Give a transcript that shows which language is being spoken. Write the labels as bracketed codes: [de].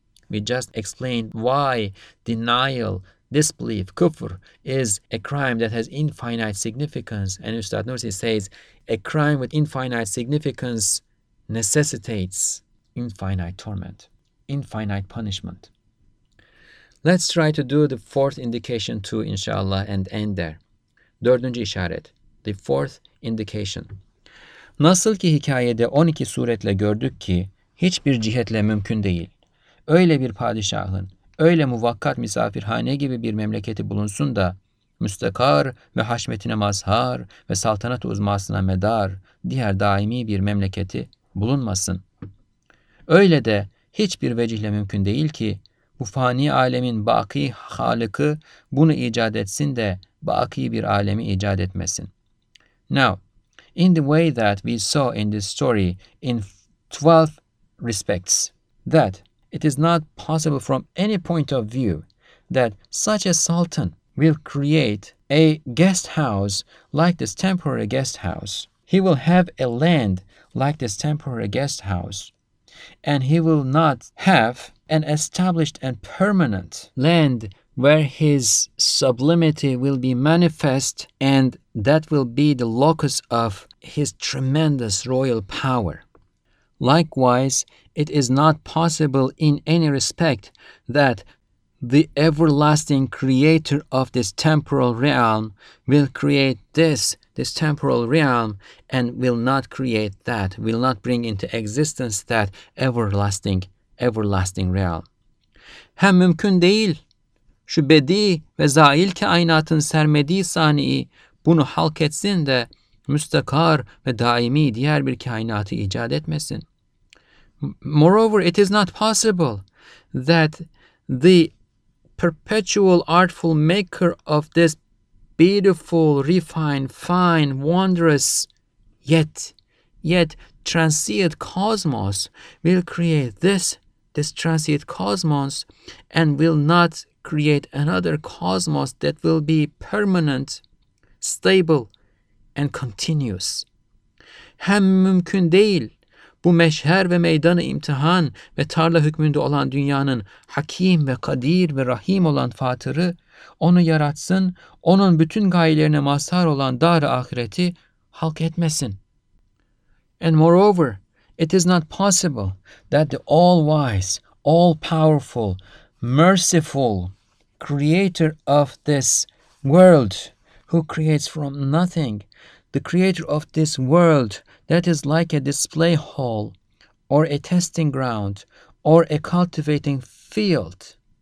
[en] We just explained why denial, disbelief, kufr, is a crime that has infinite significance. And Üstad Nursi says, a crime with infinite significance necessitates infinite torment, infinite punishment. Let's try to do the fourth indication too, inshallah, and end there. [tr] Dördüncü işaret, [en] the fourth indication. [tr] Nasıl ki hikayede 12 suretle gördük ki, hiçbir cihetle mümkün değil. Öyle bir padişahın, öyle muvakkat misafirhane gibi bir memleketi bulunsun da, müstakar ve haşmetine mazhar ve saltanat uzmasına medar, diğer daimi bir memleketi bulunmasın. Öyle de hiçbir vecihle mümkün değil ki, bu fani alemin baki halıkı bunu icat etsin de baki bir alemi icat etmesin. [en] Now, in the way that we saw in this story in 12 respects, that it is not possible from any point of view that such a sultan will create a guest house like this temporary guest house. He will have a land like this temporary guest house. And he will not have an established and permanent land where his sublimity will be manifest, and that will be the locus of his tremendous royal power. Likewise, it is not possible in any respect that the everlasting creator of this temporal realm will create this temporal realm, and will not create that, will not bring into existence that everlasting realm. [tr] Hem mümkün değil. Şu bedi ve zail kainatın sermediği saniyi bunu halk etsin de müstakar ve daimi diğer bir kainatı icat etmesin. [en] Moreover, it is not possible that the perpetual artful maker of this beautiful, refined, fine, wondrous, yet transient cosmos will create this transient cosmos, and will not create another cosmos that will be permanent, stable, and continuous. [tr] Hem mümkün değil. Bu meşher ve meydanı imtihan ve tarla hükmünde olan dünyanın hakim ve kadir ve rahim olan fatırı onu yaratsın, onun bütün gayelerine mazhar olan dar-ı ahireti halk etmesin. [en] And moreover, it is not possible that the all-wise, all-powerful, merciful creator of this world, who creates from nothing, the creator of this world that is like a display hall or a testing ground or a cultivating field.